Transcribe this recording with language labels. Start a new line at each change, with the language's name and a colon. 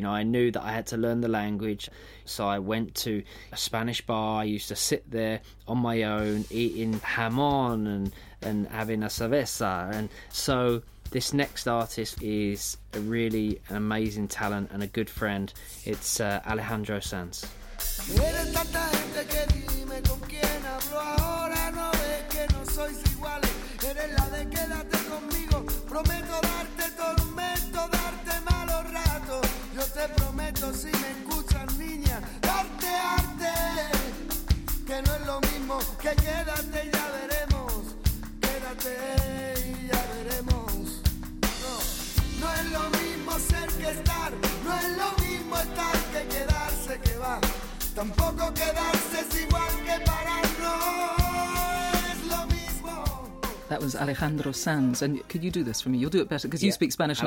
English: You know, I knew that I had to learn the language. So I went to a Spanish bar. I used to sit there on my own eating jamón and having a cerveza. And so this next artist is a really amazing talent and a good friend. It's Alejandro Sanz.
Spanish: Eres tanta gente que dime con quién hablo ahora, no ves que no sois iguales, eres la de quédate conmigo, prometo darte tormento, darte malos ratos, yo te prometo si me escuchas niña, darte arte, que no es lo mismo, que quédate y ya veremos, quédate y ya veremos, no, no es lo mismo ser que estar, no es lo mismo estar que quedarse que va. Tampoco quedarse es igual que pararnos, lo mismo.
English: That was Alejandro Sanz. And could you do this for me? You'll do it better because you speak Spanish and